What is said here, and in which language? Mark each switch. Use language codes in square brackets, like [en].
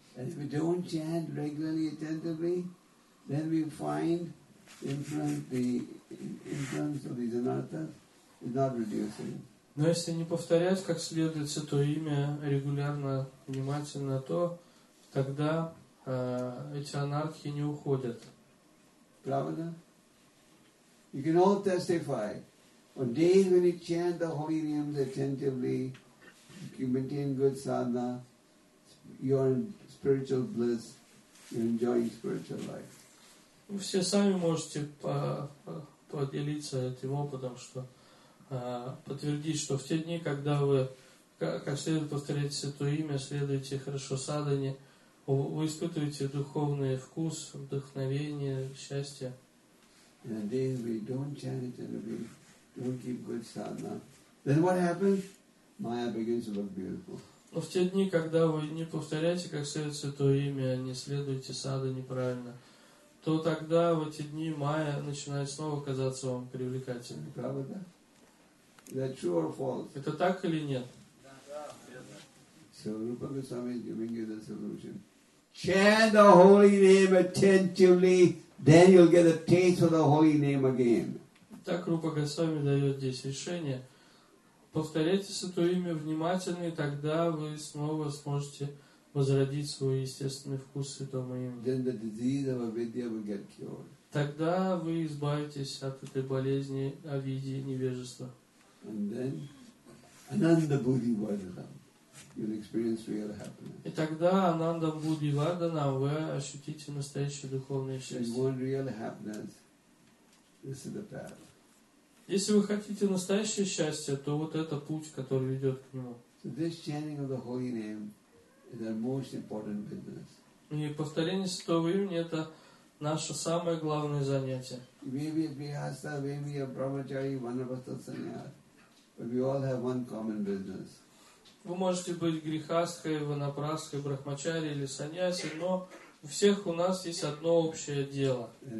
[en] And if we don't chant regularly, attentively, then we find the influence of these anarthas is not reducing. [ru] Но если не повторять как следует Святое Имя регулярно, внимательно, то тогда эти анархии не уходят. Правда? [en] You can all testify. On days when you chant the holy names attentively, you maintain good sadhana, you are in spiritual bliss, you enjoy spiritual life. [ru] Вы все сами можете поделиться этим опытом, что подтвердить, что в те дни, когда вы как следует повторяете Святое Имя, следуете хорошо садхане, вы испытываете духовный вкус, вдохновение, счастье. [en] In the days we don't chant it and we don't keep good sadhana, then what happens? Maya begins to look beautiful. [ru] Но в те дни, когда вы не повторяете как следует Святое Имя, не следуете садхане неправильно, то тогда в эти дни майя начинает снова казаться вам привлекательной. Правда, да? [en] Is that true or false? [ru] Это так или нет? [en] So Rupa Goswami is giving you the solution. Chant the holy name attentively, then you'll get a taste of the holy name again. [ru] Так Рупа Госвами дает здесь решение. Повторяйте Святое Имя внимательно, и тогда вы снова сможете возродить свой естественный вкус Святого Имени. [en] Then the disease of avidya will get cured. [ru] Тогда вы избавитесь от этой болезни авиди, невежества. [en] And then Ananda Buddhi Vardhanam, you'll experience real happiness. [ru] И тогда Ананда Буддхи Варданам, вы ощутите настоящее духовное счастье. [en] If you want real happiness, this is the path. [ru] Если вы хотите настоящее счастье, то вот это путь, который ведет к нему. [en] So this chanting of the holy name is our most important business. [ru] И повторение Святого Имени – это наше самое главное занятие. [en] Maybe a Vyasa, maybe a Brahmachari, Vanaprastha Sannyas. But we all have one common business. [ru] Вы можете быть грихастхой, ванапрасхой, брахмачари или саньяси, но у всех у нас есть одно общее дело.